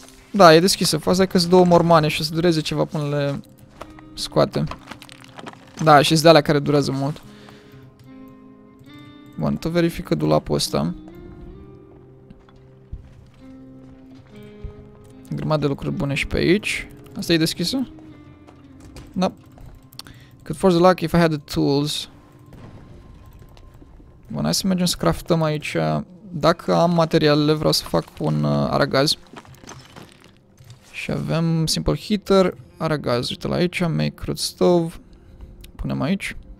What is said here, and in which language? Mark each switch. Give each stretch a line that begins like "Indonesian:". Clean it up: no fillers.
Romanian: Da, e deschisă, faza e că sunt două mormane și o să dureze ceva până le scoate. Da, și sunt de alea care durează mult. Bun, tot verifică dulapul ăsta. Grămadă de lucruri bune și pe aici. Asta e deschisă? Da.
English: Could force the lock if I had the tools.
Romanian: Bun, hai să mergem să craftăm aici. Dacă am materialele, vreau să fac un aragaz. Și avem simple heater, aragaz, uite-l aici,
English: make crude stove.
Romanian: Punem aici.